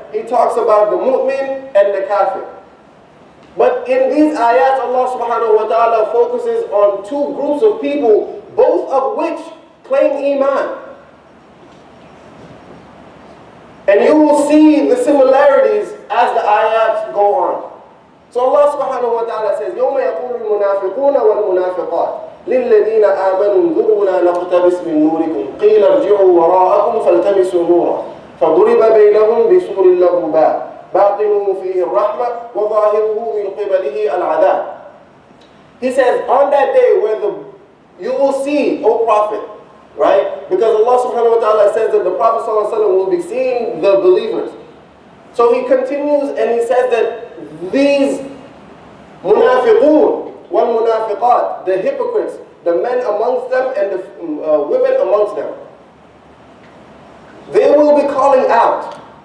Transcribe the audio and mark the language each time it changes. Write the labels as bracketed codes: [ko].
[en] He talks about the mu'min and the kafir. But in these ayats, Allah subhanahu wa ta'ala focuses on two groups of people, both of which claim iman. And you will see the similarities as the ayats go on. So Allah subhanahu wa ta'ala says, [ar] يَوْمَ يَقُولُ الْمُنَافِقُونَ وَالْمُنَافِقَاتِ لِلَّذِينَ آمَنُوا انظُرُونَا نَقْتَبِسْ مِنْ نُورِكُمْ قِيلَ ارْجِعُوا وَرَاءَكُمْ فَالْتَمِسُوا نُورًا فَضُرِبَ بَيْنَهُمْ بِسُورٍ لَهُ بَابٌ بَاطِنُهُ فِيهِ الرَّحْمَةُ وَظَاهِرُهُ مِنْ قِبَلِهِ الْعَذَابُ. [en] He says, on that day where you will see, O Prophet, right? Because Allah subhanahu wa ta'ala says that the Prophet sallallahu alaihi wasallam will be seeing the believers. So he continues and he says that these munafiqun wal munafiqat, the hypocrites, the men amongst them and the women amongst them, they will be calling out.